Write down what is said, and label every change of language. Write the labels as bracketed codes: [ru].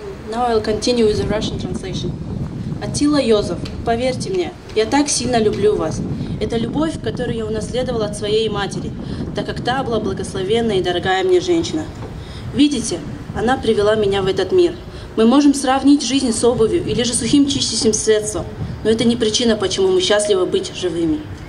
[en] Now I'll continue with the Russian translation. [ru] Attila Yozov, поверьте мне, я так сильно люблю вас. Это любовь, которую я унаследовал от своей матери, так как та была благословенная и дорогая мне женщина. Видите, она привела меня в этот мир. Мы можем сравнить жизнь с обувью или же сухим чистящим средством, но это не причина, почему мы счастливы быть живыми.